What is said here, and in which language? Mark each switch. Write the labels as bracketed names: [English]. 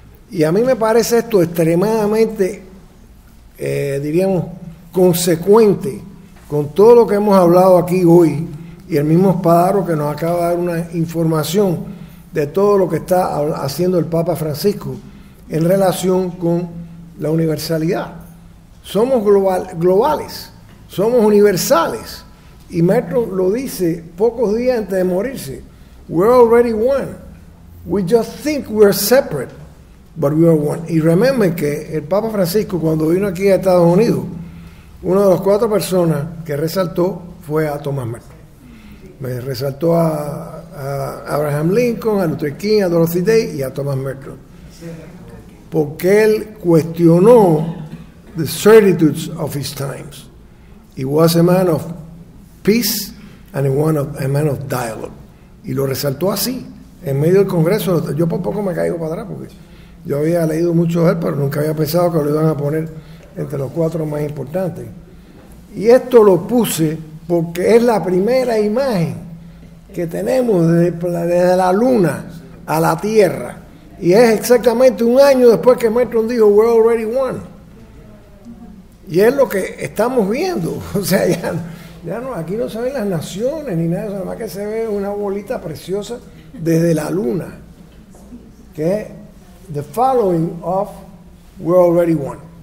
[Spanish] Y a mí me parece esto extremadamente, diríamos, consecuente con todo lo que hemos hablado aquí hoy y el mismo Espadaro que nos acaba de dar una información de todo lo que está haciendo el Papa Francisco en relación con la universalidad. Somos globales, somos universales. Y Maestro lo dice pocos días antes de morirse. [English] We're already one. We just think we're separate, but we are one. [Spanish] Y [English] remember [Spanish] que el Papa Francisco, cuando vino aquí a Estados Unidos, una de las cuatro personas que resaltó fue a Thomas Merton. Me resaltó a Abraham Lincoln, a Luther King, a Dorothy Day y a Thomas Merton. Porque él cuestionó [English] the certitudes of his times. He was a man of peace and a man of dialogue. [Spanish] Y lo resaltó así, en medio del Congreso. Yo por poco me caigo para atrás porque yo había leído mucho de él, pero nunca había pensado que lo iban a poner entre los cuatro más importantes. Y esto lo puse porque es la primera imagen que tenemos desde la luna a la tierra. Y es exactamente un año después que Merton dijo, [English] we're already one. [Spanish] Y es lo que estamos viendo. O sea, ya no, aquí no se ven las naciones ni nada, nada más que se ve una bolita preciosa desde la luna. Que es [English] the following of we're already one.